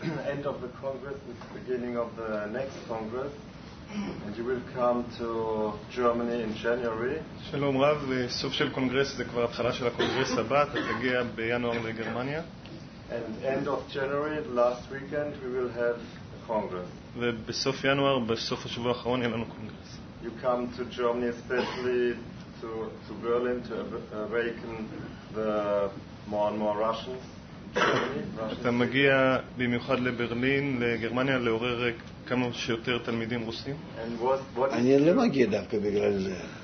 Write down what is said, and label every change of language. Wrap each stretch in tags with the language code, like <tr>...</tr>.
<en>End of the Congress is the beginning of the next Congress. And you will come to Germany in January.</en> <he>שלום רב, סוף של קונגרס זה כבר התחלה של הקונגרס הבא, אתה תגיע בינואר לגרמניה.</he> <en>And end of January, last weekend, we will have a Congress.</en> <he>ובסוף ינואר, בסוף השבוע האחרון, יהיה לנו קונגרס.</he> <en>You come to Germany especially to Berlin to awaken the more and more Russians.</en> <he>אתה מגיע במיוחד לברלין, לגרמניה, לעורר כמה שיותר תלמידים רוסים? אני לא מגיע דווקא בגלל זה.</he>